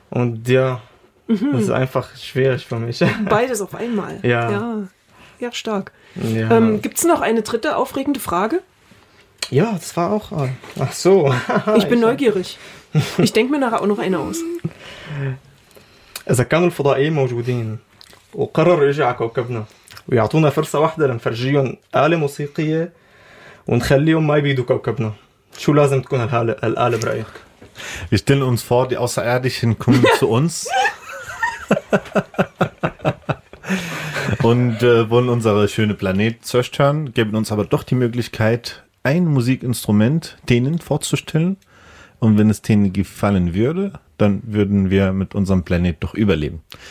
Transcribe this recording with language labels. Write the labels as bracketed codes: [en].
[de] Und ja, das ist einfach schwierig für mich. Beides auf einmal. Ja. Ja, ja, stark. Ja. Gibt es noch eine dritte aufregende Frage? Ja, das war auch... Ach so. Ich bin neugierig. Ich denke mir nachher auch noch eine aus. [ar] إذا كانوا الفضائيين موجودين وقرروا يجوا على كوكبنا ويعطونا فرصة واحدة لنفرجيهم آلة موسيقية ونخليهم ما يبيدوا كوكبنا. شو لازم تكون الآلة برأيك؟ [de] Wir stellen uns vor, die Außerirdischen kommen zu uns und wollen unsere schöne Planet zerstören, geben uns aber doch die Möglichkeit, ein Musikinstrument denen vorzustellen. Und wenn es denen gefallen würde, dann würden wir mit unserem Planet doch überleben.